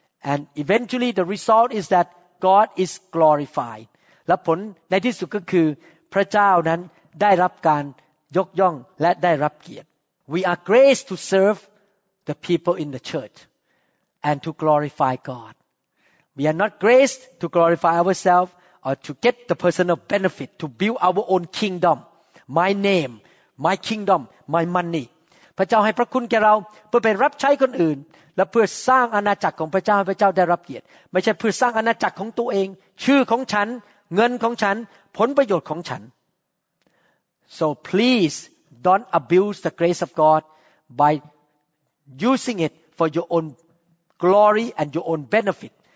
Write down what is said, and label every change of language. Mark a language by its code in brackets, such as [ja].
[en] and eventually the result is that God is glorified [th] และผลในที่สุดก็คือพระเจ้านั้นได้รับการยกย่องและได้รับเกียรติ [en] We are graced to serve the people in the church and to glorify God. We are not graced to glorify ourselves or to get the personal benefit to build our own kingdom, my name, my kingdom, my money. [th] พระเจ้าให้พระคุณแก่เราเพื่อไปรับใช้คนอื่นและเพื่อสร้างอาณาจักรของพระเจ้าให้พระเจ้าได้รับเกียรติไม่ใช่เพื่อสร้างอาณาจักรของตัวเองชื่อของฉันเงินของฉันผลประโยชน์ของฉัน [en] So pleaseDon't abuse the grace of God by using it for your own glory and your own benefit.